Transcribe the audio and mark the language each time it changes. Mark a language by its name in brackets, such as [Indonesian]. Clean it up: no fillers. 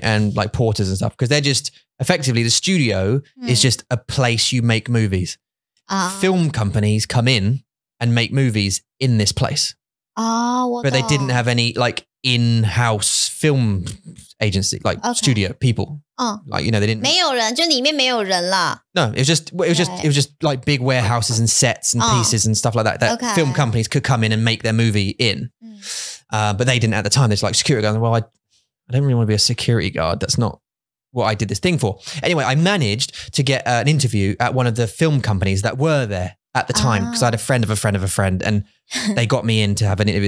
[English] And like porters and stuff. Because they're just, effectively, the studio is just a place you make movies. Film companies come in and make movies in this place. But they didn't have any like in-house film agency, like studio people. Like, you know, they didn't. [Chinese] 没有人，就里面没有人了。No, [English] it was just like big warehouses and sets and pieces and stuff like that. That film companies could come in and make their movie in. But they didn't at the time. There's like security guards. Well, I don't really want to be a security guard. That's not what I did this thing for. Anyway, I managed to get an interview at one of the film companies that were there at the time because I had a friend of a friend of a friend and they got me in to have an interview.